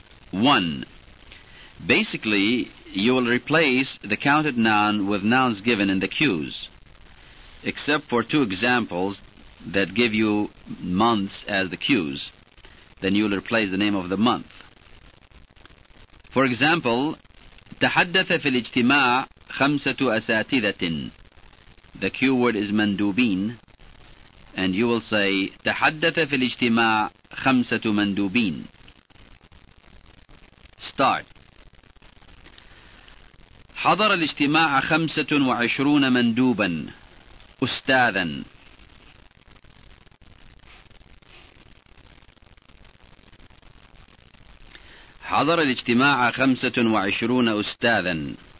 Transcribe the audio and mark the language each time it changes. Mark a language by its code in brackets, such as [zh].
[en] 1. Basically, you will replace the counted noun with nouns given in the cues, except for two examples that give you months as the cues, then you'll replace the name of the month. For example, [ar] تحدث في الاجتماع خمسة أساتذة. [en] The cue word is مندوبين, and you will say [ar] تحدث في الاجتماع خمسة مندوبين. [en] Start. [ar] حضر الاجتماع 25 مندوبا أستاذا. حضر الاجتماع 25 أستاذا.